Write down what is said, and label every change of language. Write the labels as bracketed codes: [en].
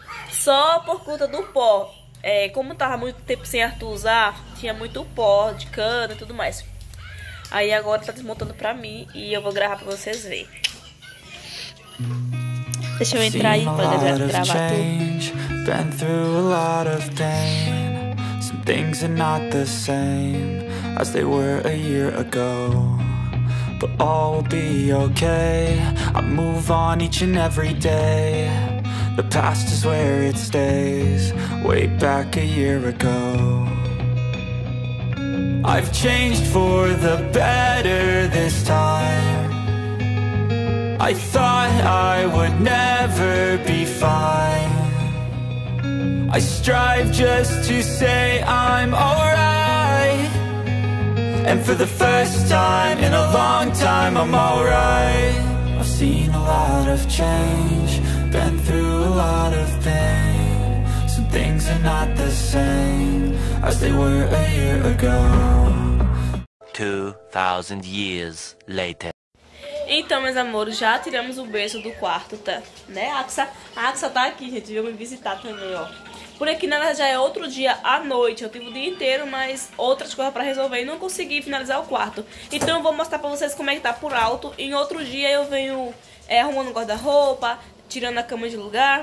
[pt] Só por conta do pó. Como tava muito tempo sem Arthur usar, tinha muito pó de cana e tudo mais. Aí agora tá desmontando pra mim e eu vou gravar pra vocês verem. Deixa eu entrar aí pra gravar tudo. [en] Been through a lot of pain. Some things are not the same as they were a year ago. But all will be okay. I move on each and every day. The past is where it stays, way back a year ago. I've changed for the better this time. I thought I would never be fine. I strive just to say I'm alright. And for the first time in a long time, I'm alright. I've seen a lot of change, been through a lot of pain. Some things are not the same as they were a year ago. 2,000 years later. [pt] Então, meus amores, já tiramos o berço do quarto, tá? Né, Axa? A Axa tá aqui, gente, veio me visitar também, ó. Por aqui, na verdade, já é outro dia à noite. Eu tive o dia inteiro, mas outras coisas pra resolver e não consegui finalizar o quarto. Então, eu vou mostrar pra vocês como é que tá por alto. Em outro dia, eu venho arrumando o guarda-roupa, tirando a cama de lugar.